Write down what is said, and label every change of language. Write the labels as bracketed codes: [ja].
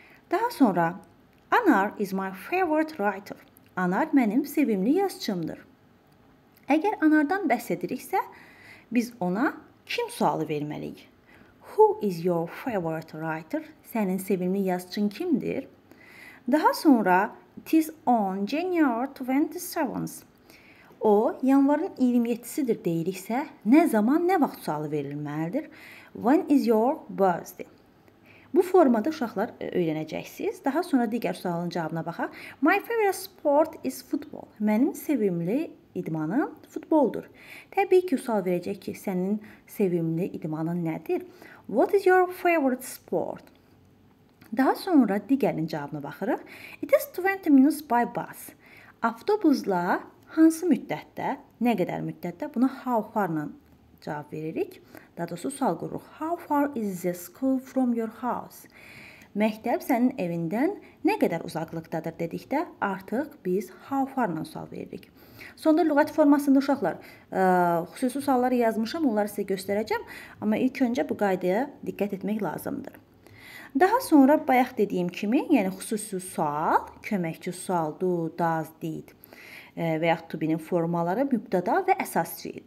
[az] Daha sonra, [en] Anar is my favorite writer. [az] Anar mənim sevimli yazıçımdır. Əgər Anardan bəhs ediriksə, biz ona kim sualı verməliyik? [en] Who is your favorite writer? [az] Sənin sevimli yazıçın kimdir? Daha sonra [en] It is on January 27th. [az] O, yanvarın 27'sidir deyiliksə, nə zaman, nə vaxt sualı verilməlidir? [en] When is your birthday? [az] Bu formada uşaqlar öyrənəcəksiniz. Daha sonra digər sualın cavabına baxaq. [en] My favorite sport is football. [az] Mənim sevimli idmanım futboldur. Təbii ki, sual verəcək ki, sənin sevimli idmanın nədir? [en] What is your favorite sport? [az] Daha sonra digərin cavabına baxırıq. [en] It is 20 minutes by bus. [az] Avtobusla hansı müddətdə, nə qədər müddətdə? Buna how far-la cavab veririk. Daha doğrusu sual qururuq. [en] How far is the school from your house? [az] Məktəb sənin evindən nə qədər uzaqlıqdadır dedikdə artıq biz how far-la sual veririk. Sonda lüğət formasında uşaqlar, xüsusi sualları yazmışam, onları sizə göstərəcəm. Amma ilk öncə bu qaydaya diqqət etmək lazımdır. Daha sonra bayaq dediyim kimi, yəni xüsusi sual, köməkçi sual, do, does, did və yaxud to be-nin formaları, mübtəda və əsas fiil.